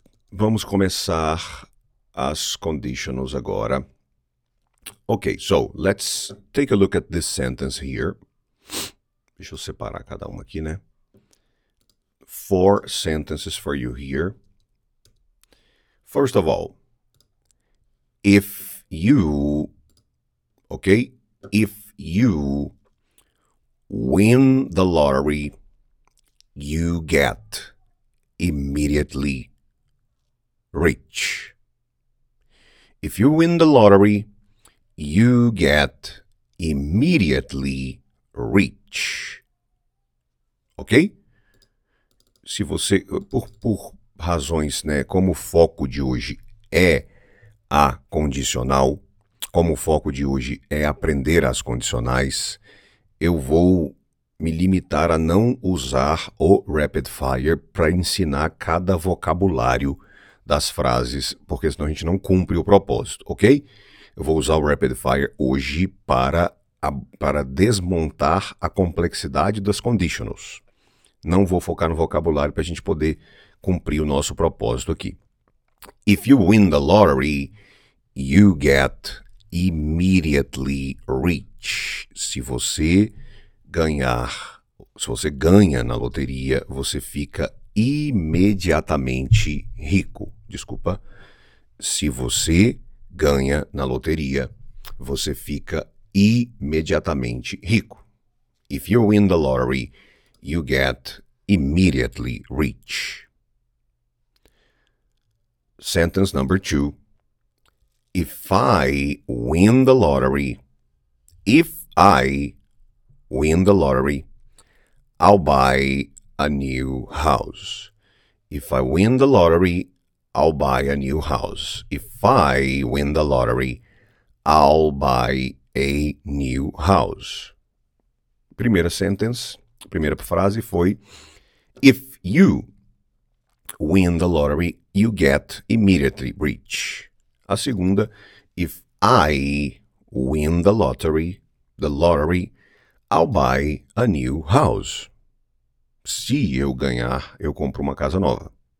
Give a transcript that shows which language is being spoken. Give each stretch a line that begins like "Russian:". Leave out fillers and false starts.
Portuguese: Vamos começar as conditionals agora.
English: Ok, so let's take a look at this sentence here.
Portuguese: Deixa eu separar cada uma aqui, né?
English: Four sentences for you here. First of all, if you, okay, if you win the lottery, you get immediately rich. If you win the lottery, you get immediately rich. Okay?
Portuguese: Se você, por razões, né, como o foco de hoje é a condicional, como o foco de hoje é aprender as condicionais, eu vou me limitar a não usar o rapid fire para ensinar cada vocabulário das frases, porque senão a gente não cumpre o propósito, ok? Eu vou usar o rapid fire hoje para desmontar a complexidade das conditionals. Não vou focar no vocabulário para a gente poder cumprir o nosso propósito aqui.
English: If you win the lottery, you get immediately rich.
Portuguese: Se você ganhar, se você ganha na loteria, você fica imediatamente rico. Desculpa. Se você ganha na loteria, você fica imediatamente rico.
English: If you win the lottery, you get immediately rich. Sentence number two. If I win the lottery, if I win the lottery, I'll buy a new house. If I win the lottery, I'll buy a new house. If I win the lottery, I'll buy a new house.
Portuguese: Primeira sentence, primeira frase foi:
English: if you win the lottery, you get immediately rich.
Portuguese: A segunda:
English: if I win the lottery, I'll buy a new house.
Portuguese: Se eu ganhar, eu compro uma casa nova.